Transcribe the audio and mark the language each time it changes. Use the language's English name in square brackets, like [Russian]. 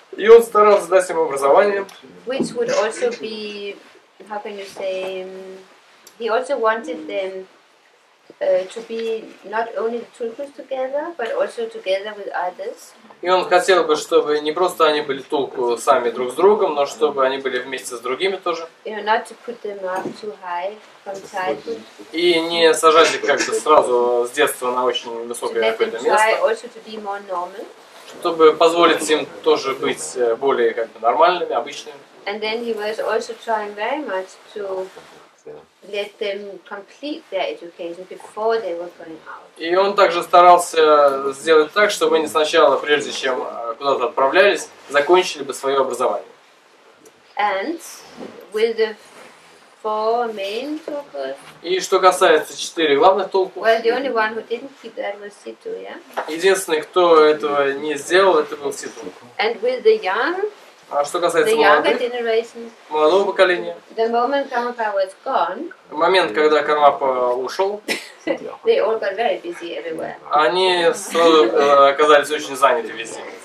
[Russian] И он старался дать им образование. [English] Which would also be, how can you say, he also wanted them to be not only the tulkus together, but also together with others. [Russian] И он хотел бы, чтобы не просто они были тулку сами друг с другом, но чтобы они были вместе с другими тоже. [English] You know, not to put them up too high from childhood. [Russian] И не сажать их как-то сразу с детства на очень высокое какое-то место. [English] Try also to be more normal. [Russian] Чтобы позволить им тоже быть более как бы нормальными, обычными. [English] And then he was also trying very much to let them complete their education before they were going out. [Russian] И он также старался сделать так, чтобы они сначала, прежде чем куда-то отправлялись, закончили бы свое образование. [English] And with the four main tulkus. [Russian] И что касается четыре главных тулку. [English] Well, the only one who didn't keep that was Ситу, yeah? [Russian] Единственный, кто этого не сделал, это был Ситу. [English] And with the young. [Russian] А что касается молодого поколения. [English] The moment Karmapa was gone. [Russian] Момент, когда Кармапа ушел. [English] They all got very busy everywhere. [Russian] Они сразу оказались очень заняты везде.